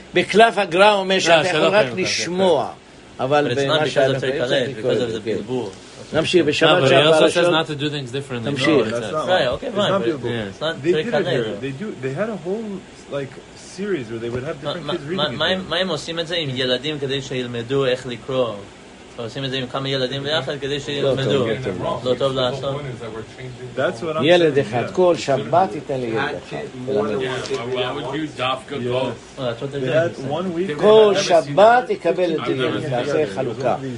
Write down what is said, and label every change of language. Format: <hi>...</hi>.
<he>בקלף הגרא אומר שאתה יכול רק לשמוע. אבל במה שאלה קוראים, זה בקלף. זה בלבול. נמשיך, בשבת שעברה לשאול.</he> <en>No, but he also says not to do things differently.</en> <he>נמשיך.</he> <en>Right, okay, fine. It's not beautiful. It's not trickle. They had a whole, like, series where they would have different kids reading it.</en> <he>מה הם עושים את זה עם ילדים כדי שילמדו איך לקרוא? עושים את זה עם כמה ילדים ביחד כדי שילמדו? לא טוב לעשות. ילד אחד, כל שבת ייתן לי ילד אחד. כל שבת יקבל את זה, נעשה חלוקה.</he>